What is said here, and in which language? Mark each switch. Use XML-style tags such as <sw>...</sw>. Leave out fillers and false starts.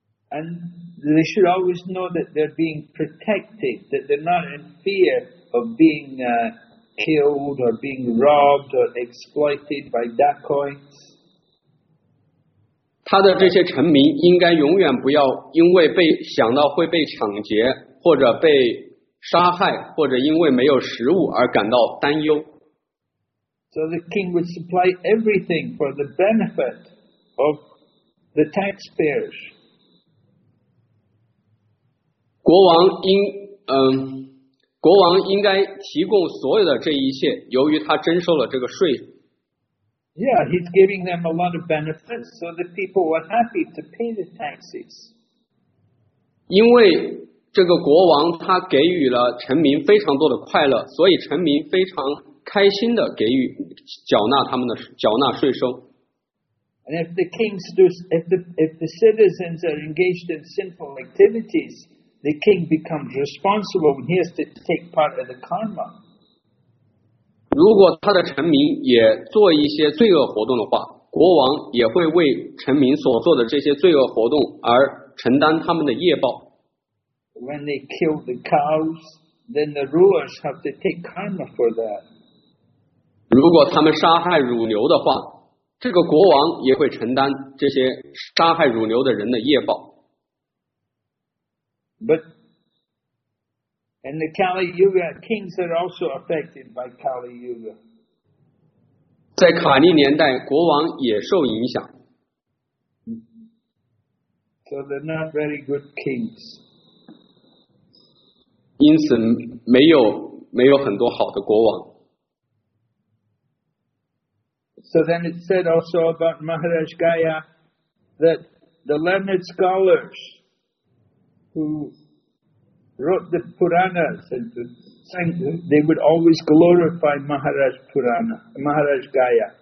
<en>And they should always know that they're being protected, that they're not in fear of being killed or being robbed or exploited by dacoits.</en> <zh>他的这些臣民应该永远不要因为被想到会被抢劫或者被杀害或者因为没有食物而感到担忧。</zh> <en>So the king would supply everything for the benefit of the taxpayers.</en> <zh>国王应该提供所有的这一切，由于他征收了这个税。</zh> <en>Yeah, he's giving them a lot of benefits, so the people were happy to pay the taxes.</en> <zh>因为这个国王他给予了臣民非常多的快乐，所以臣民非常开心的给予缴纳他们的缴纳税收。</zh> <en>And if the kings do, if the citizens are engaged in sinful activities, the king becomes responsible when he has to take part of the karma.</en> <zh>如果他的臣民也做一些罪恶活动的话，国王也会为臣民所做的这些罪恶活动而承担他们的业报。</zh> <en>When they kill the cows, then the rulers have to take karma for that.</en> <zh>如果他们杀害乳牛的话，这个国王也会承担这些杀害乳牛的人的业报。</zh> <en>But,And the Kali Yuga kings are also affected by Kali Yuga.</en> <zh>在卡利年代，国王也受影响。</zh> <en>So they're not very good kings.</en> <zh>因此没有很多好的国王。</zh> <en>So then it said also about Maharaj Gaya that the learned scholars who. Wrote the Puranas and sang, they would always glorify Maharaj Purana, Maharaj Gaya.</en>